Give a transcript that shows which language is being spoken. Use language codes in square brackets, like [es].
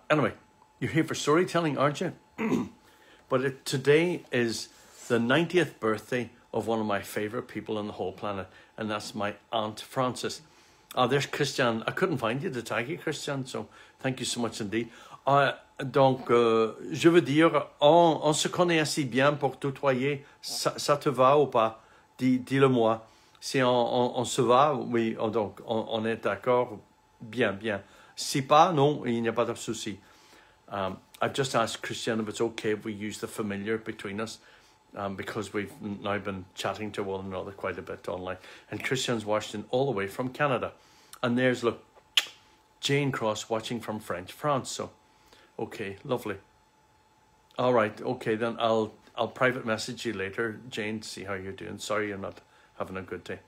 [en] Anyway, you're here for storytelling, aren't you? But today is the 90th birthday of one of my favourite people on the whole planet, and that's my Aunt Frances. Oh, there's Christian. I couldn't find you to tag you, Christian, so thank you so much indeed. [fr] Je veux dire, on se connaît assez bien pour tutoyer. Ça te va ou pas? Dis-le-moi. Si on se va, oui, donc on est d'accord, bien, bien. Si pas, non, il n'y a pas de souci. [en] I've just asked Christian if it's okay if we use the familiar between us, because we've now been chatting to one another quite a bit online. And Christian's watching all the way from Canada. And there's, look, Jane Cross watching from French France. So, okay, lovely. All right, okay, then I'll private message you later, Jane, to see how you're doing. Sorry you're not... having a good day.